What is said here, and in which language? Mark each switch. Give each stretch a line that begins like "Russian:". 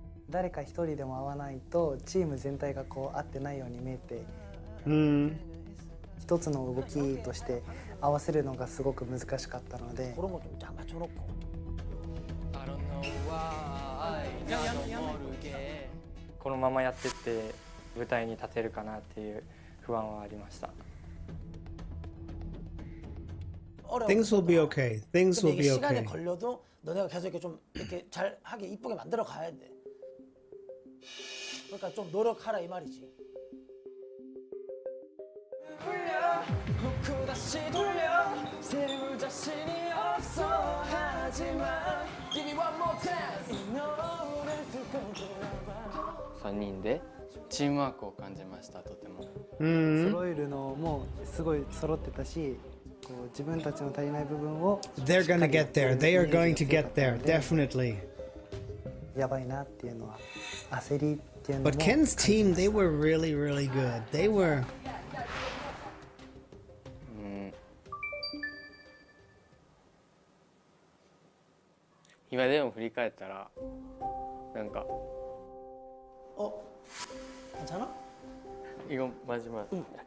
Japanese: 誰か一人でも合わないとチーム全体がこう合ってないように見えて、一つの動きとして合わせるのがすごく難しかったので。これもちょっと邪魔ちょろっこ。
English: I don't know why.
Japanese: やめやめ。このままやってって舞台に立てるかなっていう不安はありました。
English: Things will be okay. Things will be okay.
Korean: 시간이걸려도너네가계속이렇게좀이렇게잘하게이쁘게만들어가야돼그러니까좀노력하라이말이지
Japanese: 3人でチームワークを感じましたとても揃えるのもすごい揃ってたし自分たちの足りない部分を
English: They're gonna get there. They are going to get there. Definitely.
Japanese: やばいなっていうのは焦りっていうのも
English: But Ken's team, they were really, really good. They were...
Japanese: うん今でも振り返ったらなんかお、あんちゃんな
Korean: 이건
Japanese: マジマジ、うん、